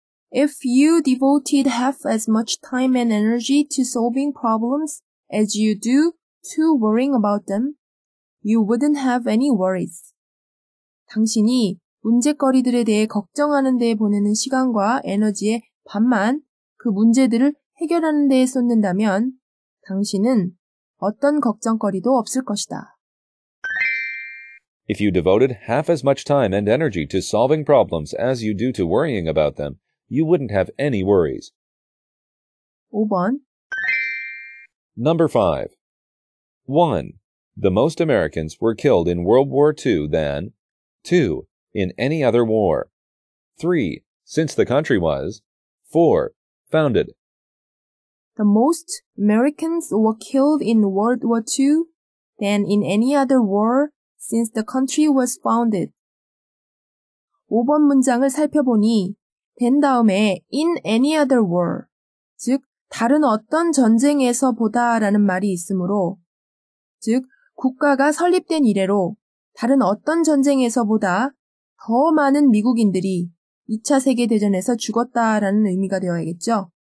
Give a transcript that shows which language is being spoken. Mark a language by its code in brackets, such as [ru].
[en] If you devoted half as much time and energy to solving problems as you do to worrying about them, you wouldn't have any worries. [ko] 당신이 문제거리들에 대해 걱정하는 데 보내는 시간과 에너지의 반만 그 문제들을 해결하는 데에 쏟는다면 당신은 어떤 걱정거리도 없을 것이다. [en] If you devoted half as much time and energy to solving problems as you do to worrying about them, you wouldn't have any worries. [ko] 5번 [en] Number 5 1. The most Americans were killed in World War II than 2. In any other war 3. Since the country was 4. Founded The most Americans were killed in World War II than in any other war since the country was founded. [ko] 5번 문장을 살펴보니 된 다음에 [en] in any other war, [ko] 즉 다른 어떤 전쟁에서보다 라는 말이 있으므로 즉 국가가 설립된 이래로 다른 어떤 전쟁에서보다 더 많은 미국인들이 2차 세계대전에서 죽었다 라는 의미가 되어야겠죠.